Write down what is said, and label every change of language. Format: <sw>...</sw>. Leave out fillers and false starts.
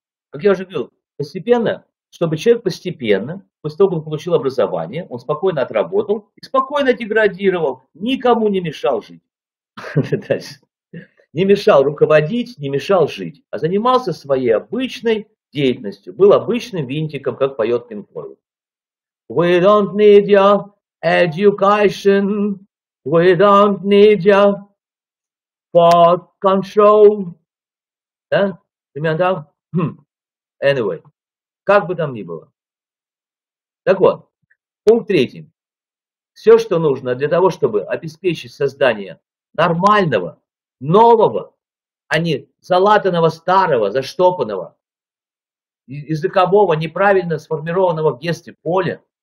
<ru>Как я уже говорил, постепенно, чтобы человек постепенно, после того, как он получил образование, он спокойно отработал и спокойно деградировал, никому не мешал жить. Не мешал руководить, не мешал жить, а занимался своей обычной деятельностью, был обычным винтиком, как поет Пинк Флойд.</ru> <en>We don't need your education, we don't need your thought control.</en> <ru>Да? Примерно так? Anyway, как бы там ни было. Так вот, пункт третий. Все, что нужно для того, чтобы обеспечить создание нормального, нового а не залатанного старого, заштопанного, языкового, неправильно сформированного в детстве поля.</ru>